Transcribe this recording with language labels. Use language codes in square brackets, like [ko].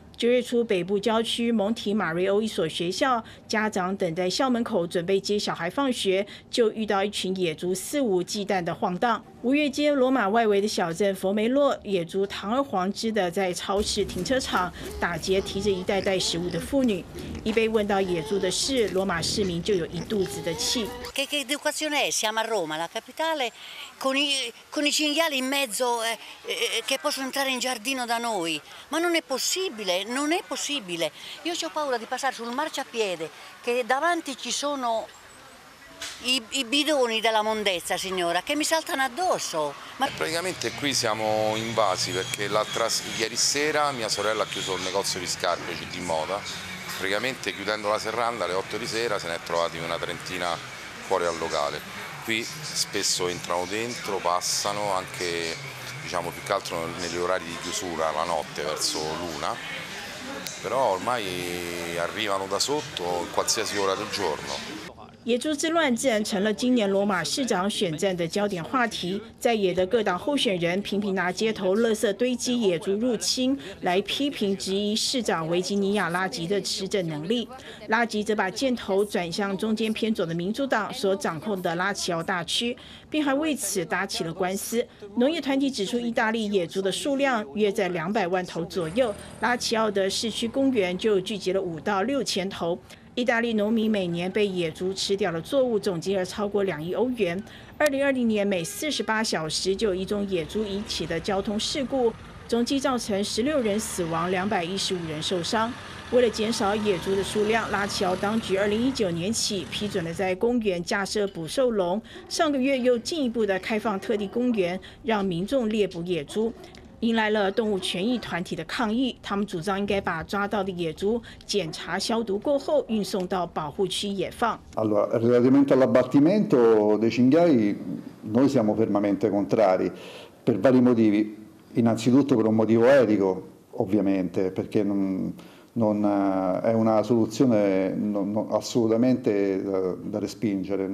[zh] 九月初，北部郊区蒙提马瑞欧一所学校，家长等在校门口准备接小孩放学，就遇到一群野猪肆无忌惮的晃荡。五月间，罗马外围的小镇佛梅洛，野猪堂而皇之的在超市停车场打劫提着一袋袋食物的妇女。一被问到野猪的事，罗马市民就有一肚子的气。 [it] Che educazione è? Siamo a Roma, la capitale, con i cinghiali in mezzo che possono entrare in giardino da noi. Ma non è possibile, non è possibile. Io ho paura di passare sul marciapiede che davanti ci sono. I bidoni della mondezza, signora, che mi saltano addosso. Ma... Praticamente qui siamo invasi perché ieri sera mia sorella ha chiuso il negozio di scarpe di moda. Praticamente chiudendo la serranda alle 8 di sera se ne è trovati una trentina fuori al locale. Qui spesso entrano dentro, passano anche diciamo, più che altro negli orari di chiusura, la notte verso l'una. Però ormai arrivano da sotto in qualsiasi ora del giorno. [zh] 野猪之乱自然成了今年罗马市长选战的焦点话题，在野的各党候选人频频拿街头垃圾堆积野猪入侵来批评质疑市长维吉尼亚·拉吉的施政能力。拉吉则把箭头转向中间偏左的民主党所掌控的拉齐奥大区，并还为此打起了官司。农业团体指出，意大利野猪的数量约在200万头左右，拉齐奥的市区公园就聚集了5到6千头。意大利农民每年被野猪吃掉的作物总金额超过2亿欧元。 2020年，每48小时就有一宗野猪引起的交通事故，总计造成16人死亡，215人受伤。为了减少野猪的数量，拉齐奥当局2019年起批准了在公园架设捕兽笼，上个月又进一步的开放特地公园，让民众猎捕野猪。迎来了动物权益团体的抗议，他们主张应该把抓到的野猪检查消毒过后运送到保护区野放。 [it] Allora, relativamente all'abbattimento dei cinghiali, noi siamo fermamente contrari per vari motivi. Innanzitutto per un motivo etico, ovviamente, perché non è una soluzione assolutamente da respingere.